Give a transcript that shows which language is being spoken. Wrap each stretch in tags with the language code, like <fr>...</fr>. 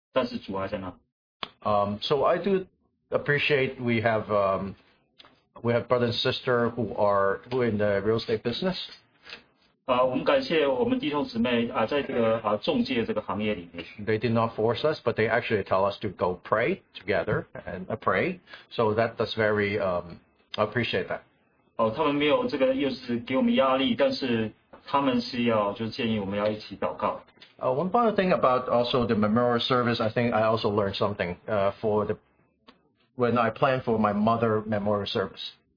<zh>所以有时候我们觉得事情我们不能控制，好像我们不能掌控，但是主还在那。</zh> <en>So I do appreciate we have brother and sister who are in the real estate business.</en> <zh>我们感谢我们弟兄姊妹在这个中介这个行业里面。</zh> <en>They did not force us, but they actually tell us to go pray together and pray. So that's very appreciate that.</en> <zh>他们没有这个又是给我们压力，但是他们是要就建议我们要一起祷告。</zh> <en>One final thing about also the memorial service, I think I also learned something when I planned for my mother memorial service.</en>